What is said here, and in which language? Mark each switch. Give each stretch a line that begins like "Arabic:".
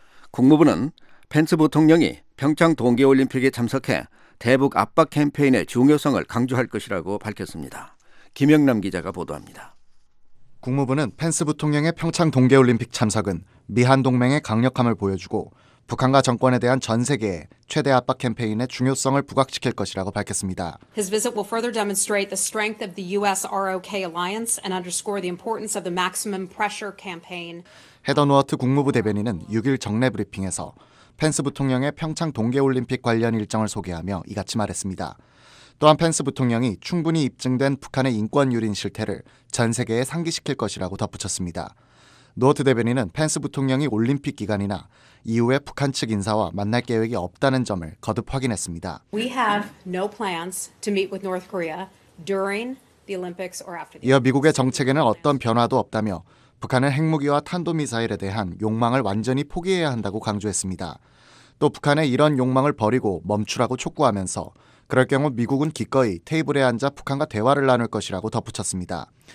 Korean: 국무부는 펜스 부통령이 평창 동계올림픽에 참석해 대북 압박 캠페인의 중요성을 강조할 것이라고 밝혔습니다. 김영남 기자가 보도합니다. 국무부는 펜스 부통령의 평창 동계올림픽 참석은 미한 동맹의 강력함을 보여주고 북한과 정권에 대한 전 세계의 최대 압박 캠페인의 중요성을 부각시킬 것이라고 밝혔습니다.
English: His visit will further demonstrate the strength of the US-ROK alliance and underscore the importance of the maximum pressure campaign.
Korean: 헤더 누어트 국무부 대변인은 6일 정례 브리핑에서 펜스 부통령의 평창 동계올림픽 관련 일정을 소개하며 이같이 말했습니다. 또한 펜스 부통령이 충분히 입증된 북한의 인권 유린 실태를 전 세계에 상기시킬 것이라고 덧붙였습니다. 노어트 대변인은 펜스 부통령이 올림픽 기간이나 이후에 북한 측 인사와 만날 계획이 없다는 점을 거듭 확인했습니다.
English: We have no plans to meet with North Korea during the Olympics or after.
Korean: 이어 미국의 정책에는 어떤 변화도 없다며 북한은 핵무기와 탄도미사일에 대한 욕망을 완전히 포기해야 한다고 강조했습니다. 또 북한의 이런 욕망을 버리고 멈추라고 촉구하면서 그럴 경우 미국은 기꺼이 테이블에 앉아 북한과 대화를 나눌 것이라고 덧붙였습니다.